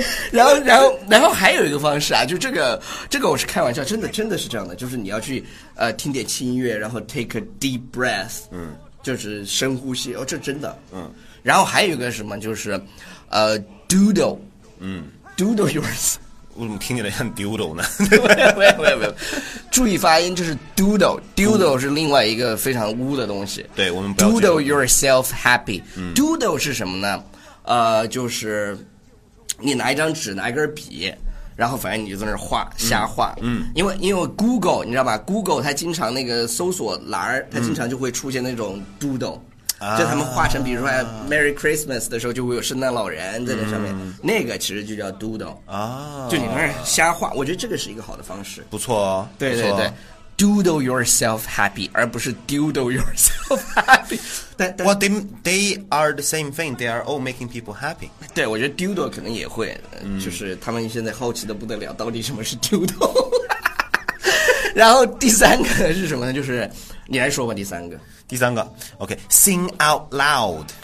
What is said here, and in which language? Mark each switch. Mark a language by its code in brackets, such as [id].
[zh] 然后还有一个方式啊，就这个我是开玩笑，真的是这样的，就是你要去听点轻音乐，然后 [en] take a deep breath， [zh] 就是深呼吸哦，这真的，然后还有一个什么，就是doodle， [en] doodle yours， [zh] 我怎么听起来像 doodle 呢？没有，注意发音，就是 doodle 是另外一个非常污的东西，对，我们不要 [en] doodle yourself happy， [zh] doodle 是什么呢？就是。你拿一张纸，拿一根笔，然后反正你就在那画，瞎画。因为 Google， 你知道吧 ？Google 它经常那个搜索栏，它经常就会出现那种 doodle，就他们画成，比如说 Merry Christmas 的时候，就会有圣诞老人在那上面，那个其实就叫 doodle 啊，就你在那瞎画。我觉得这个是一个好的方式，不错，对对对。 [en] Doodle yourself happy， [zh] 而不是 [en] doodle yourself happy。 Well, they are the same thing. They are all making people happy. [zh] 对，我觉得 doodle 可能也会，就是他们现在好奇的不得了，到底什么是 doodle。然后第三个是什么呢？就是你来说吧，第三个。第三个 ，OK， [en] sing out loud。